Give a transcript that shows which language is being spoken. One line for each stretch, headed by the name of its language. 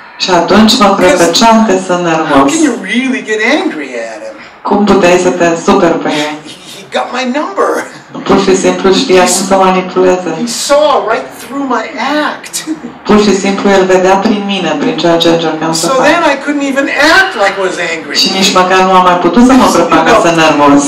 Romanian: Și atunci mă prefăceam că sunt nervos.
English: How can you really get angry at him?
Romanian: Cum puteai să te super pe el?
English: He got my number.
Romanian: Pur și simplu știa cum să manipuleze.
English: He saw right through my act.
Romanian: Pur și simplu el vedea prin mine, prin ceea ce încercam să fac.
English: So then I couldn't even act like I was angry.
Romanian: Și nici măcar nu am mai putut să mă prefac ca să nervos.